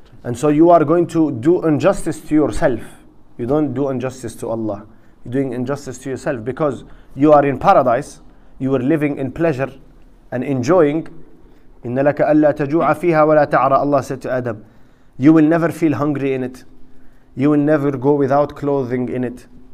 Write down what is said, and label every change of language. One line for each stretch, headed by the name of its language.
English: And so you are going to do injustice to yourself. You don't do injustice to Allah. You're doing injustice to yourself because you are in paradise. You are living in pleasure and enjoying.
Arabic: إِنَّ لَكَ أَلَّا تَجُوعَ فِيهَا وَلَا تَعْرَى,
English: Allah said to Adam. You will never feel hungry in it. You will never go without clothing in it.